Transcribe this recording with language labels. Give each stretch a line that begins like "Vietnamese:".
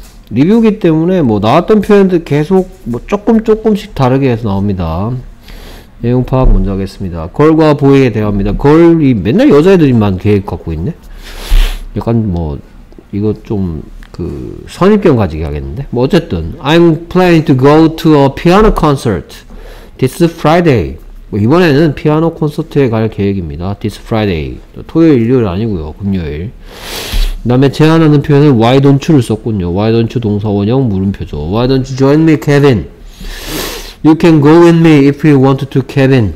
Korean: 리뷰기 때문에 뭐 나왔던 표현들 계속 뭐 조금씩 다르게 해서 나옵니다. 내용 파악 먼저 하겠습니다. 걸과 보이에 대화입니다. 걸이 맨날 여자애들만 계획 갖고 있네. 약간 뭐 이거 좀 그 선입견 가지게 하겠는데. 뭐 어쨌든
English: I'm planning to go to a piano concert this Friday.
Korean: 뭐 이번에는 피아노 콘서트에 갈 계획입니다.
English: This Friday.
Korean: 토요일, 일요일 아니고요. 금요일. 그 다음에 제안하는 표현을
English: Why don't you
Korean: 를 썼군요.
English: Why don't you
Korean: 동사원형 물음표죠.
English: Why don't you join me, Kevin? You can go with me if you want to, Kevin.